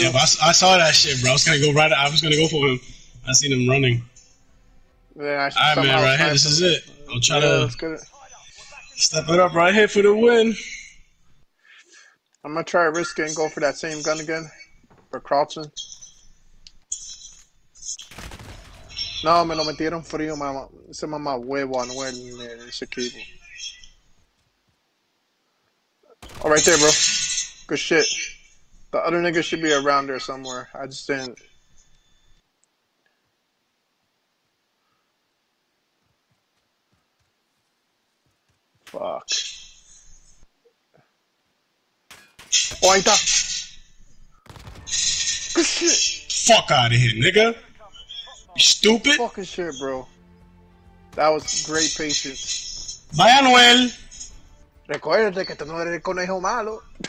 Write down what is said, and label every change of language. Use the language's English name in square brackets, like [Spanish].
[English] Yeah, I saw that shit, bro. I was gonna go for him. I seen him running. Alright, man, right here. This is it. I'll try to step it up right here for the win. I'm gonna try to risk it and go for that same gun again. For crouching. [Spanish] No, me lo metieron frío, mama. Ese mama huevo, no en ese equipo. [English] Oh, right there, bro. Good shit. The other nigga should be around there somewhere. I just didn't. Fuck. [Spanish] Oh, ahí está. [English] Good shit. Fuck out of here, nigga. You stupid. Fucking shit, bro. That was great patience. Bye, Anuel. [Spanish] Recuerde que tú no eres el conejo malo.